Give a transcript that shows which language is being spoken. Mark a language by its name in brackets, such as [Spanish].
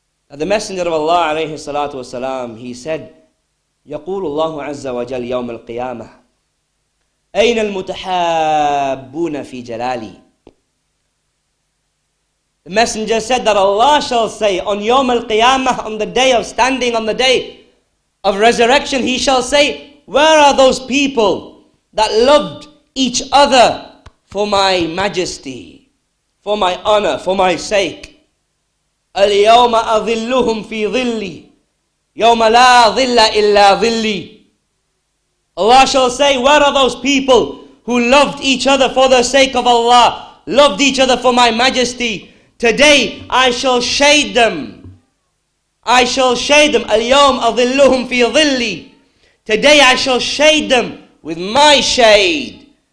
[English] The Messenger of Allah alayhi salatu wasalam, he said, [Arabic] يقول الله عز وجل يوم القيامة أين المتحابون في جلالي. [English] The Messenger said that Allah shall say on يوم القيامة, on the day of standing, on the day of resurrection, he shall say, where are those people that loved each other for my majesty, for my honor, for my sake? [Arabic] اليوم أظلهم في ظلي يوم لا ظل إلا ظلي. [English] Allah shall say, where are those people who loved each other for the sake of Allah, loved each other for my majesty? Today I shall shade them. I shall shade them. [Arabic] اليوم أظلهم في ظلي. [English] Today I shall shade them with my shade.